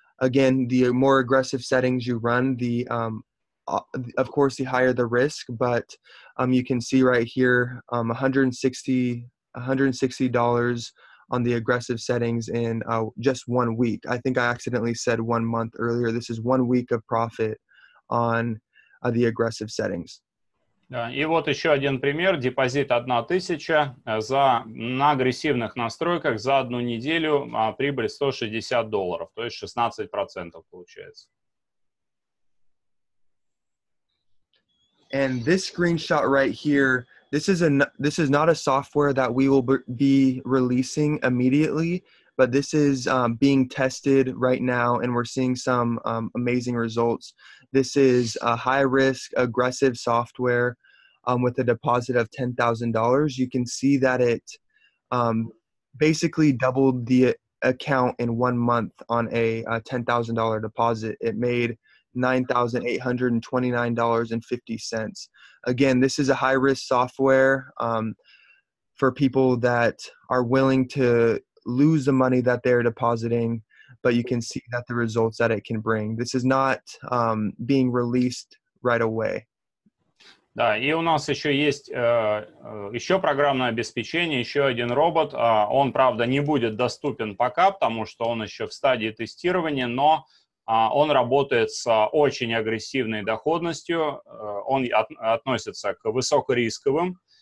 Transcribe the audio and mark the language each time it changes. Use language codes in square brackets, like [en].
[en] Again, the more aggressive settings you run, of course, the higher the risk, but you can see right here $160 on the aggressive settings in just 1 week. I think I accidentally said 1 month earlier. This is 1 week of profit on the aggressive settings. [ru] Да, и вот еще один пример. Депозит 1000 на агрессивных настройках за одну неделю, а прибыль $160, то есть 16% получается. [en] And this screenshot right here, this is not a software that we will be releasing immediately, but this is being tested right now, and we're seeing some amazing results. This is a high-risk, aggressive software with a deposit of $10,000. You can see that it basically doubled the account in 1 month on a $10,000 deposit. It made $9,829.50. Again, this is a high-risk software for people that are willing to lose the money that they're depositing, but you can see that the results that it can bring. This is not being released right away. [ru] Да, и у нас еще есть еще программное обеспечение, еще один робот. Он, правда, не будет доступен пока, потому что он еще в стадии тестирования, но он работает с очень агрессивной доходностью, он относится к высокорисковым.